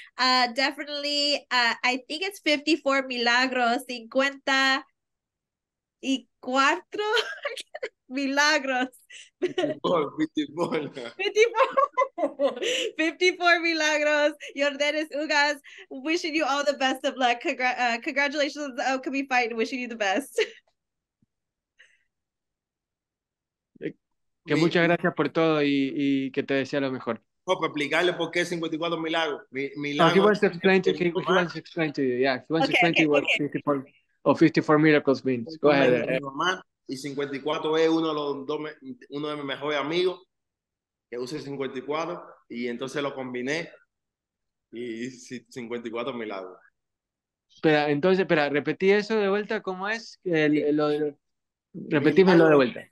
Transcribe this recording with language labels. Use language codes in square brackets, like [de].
[en] Definitely, I think it's 54 milagros, 54 milagros. [es] 54 milagros. [en] Yordenis Ugas, wishing you all the best of luck. Congratulations on the upcoming fight and wishing you the best. [es] Que muchas gracias por todo y que te desea lo mejor. Oh, para explicarle por qué 54 milagros. [en] He wants to explain to you. He wants to explain to you. Yeah, he wants to explain to you what 54 or 54 miracles means. Go ahead. [es] Y 54 es uno de mis mejores amigos que usa 54 y entonces lo combiné y 54 milagros. Espera, repetí eso de vuelta, ¿cómo es? Repetímelo de vuelta.